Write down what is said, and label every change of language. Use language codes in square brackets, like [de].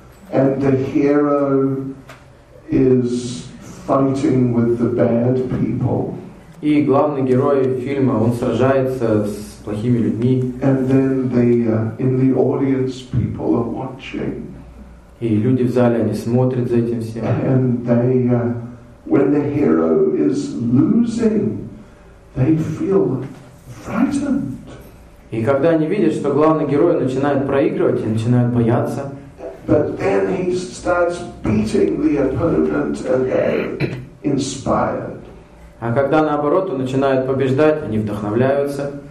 [en] And the hero is fighting with the bad people. [ru] И главный герой фильма, он сражается с плохими людьми. [en] And then in the audience people are watching. [ru] И люди в зале, они смотрят за этим всем. [en] And they when the hero is losing, they feel frightened. [ru] И когда они видят, что главный герой начинает проигрывать и начинают бояться. [en] But then he starts beating the opponent again, inspired. [ru] А когда наоборот, он начинает побеждать, они вдохновляются.